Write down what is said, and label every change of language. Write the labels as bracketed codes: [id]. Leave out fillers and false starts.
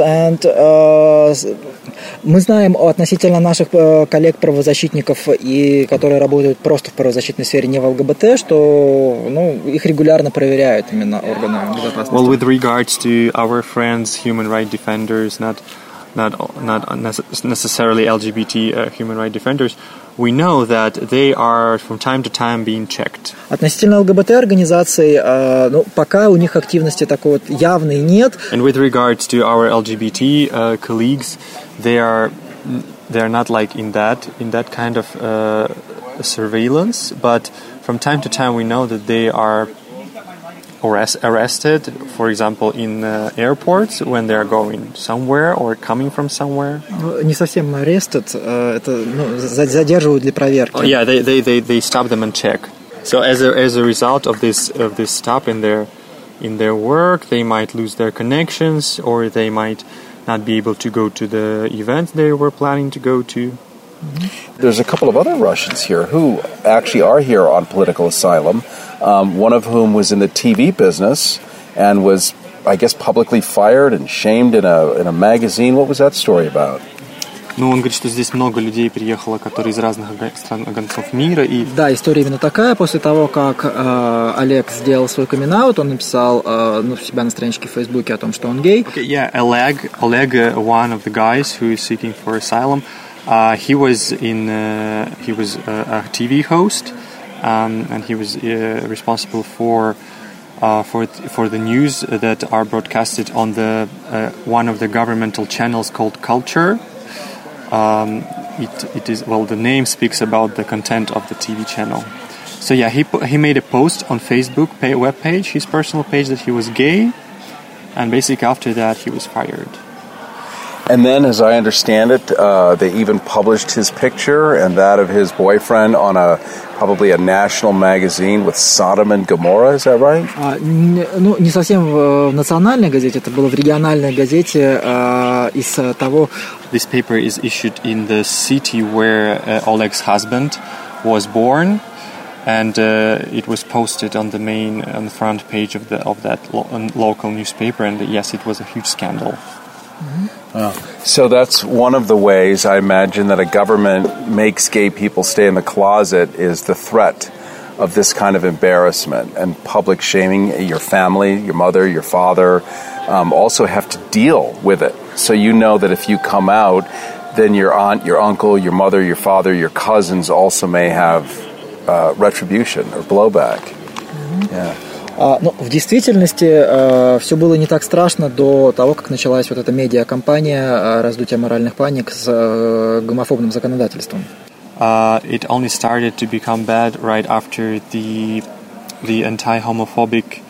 [ru] And мы знаем относительно наших коллег-правозащитников, и которые работают просто в правозащитной сфере, не в ЛГБТ, что ну, их регулярно проверяют именно органы безопасности. [en] Well, with regards to our friends, human rights defenders, not necessarily LGBT human rights defenders, we know that they are from time to time being checked. [ru] Относительно ЛГБТ организаций, ну пока у них активности такой вот явной нет. [en] And with regards to our LGBT colleagues, they are not like in that kind of surveillance, but from time to time we know that they are arrested, for example, in airports when they are going somewhere or coming from somewhere. [ru] Не совсем arrested, это ну задерживают для проверки. [en] Yeah, they stop them and check. So as a result of this stop in their work, they might lose their connections or they might not be able to go to the event they were planning to go to. There's a couple of other Russians here who actually are here on political asylum, one of whom was in the TV business and was, I guess, publicly fired and shamed in a magazine. What was that story about? [ru] Ну, он говорит, что здесь много людей приехало, которые из разных стран концов мира. И... Да, история именно такая. После того, как Олег сделал свой камин-аут, он написал ну, себя на страничке в Фейсбуке о том, что он гей. [en] Okay, yeah, Олег, one of the guys who is seeking for asylum, he was a TV host, and he was responsible for the news that are broadcasted on the one of the governmental channels called Culture. It is, well, the name speaks about the content of the TV channel. So yeah, he made a post on Facebook webpage, his personal page, that he was gay, and basically after that he was fired. And then, as I understand it, they even published his picture and that of his boyfriend on a probably a national magazine with Sodom and Gomorrah. Is that right? [ru] Ну не совсем в национальной газете. Это было в региональной газете из того. [en] This paper is issued in the city where Oleg's husband was born, and it was posted on the main on the front page of the of that local newspaper. And yes, it was a huge scandal. Mm-hmm. Oh. So that's one of the ways I imagine that a government makes gay people stay in the closet is the threat of this kind of embarrassment and public shaming. Your family, your mother, your father also have to deal with it. So you know that if you come out, then your aunt, your uncle, your mother, your father, your cousins also may have retribution or blowback. Mm-hmm. Yeah. [ru] Ну, в действительности все было не так страшно до того, как началась вот эта медиакампания раздутия моральных паник с гомофобным законодательством. [en] It only started to become bad right after the anti-homophobic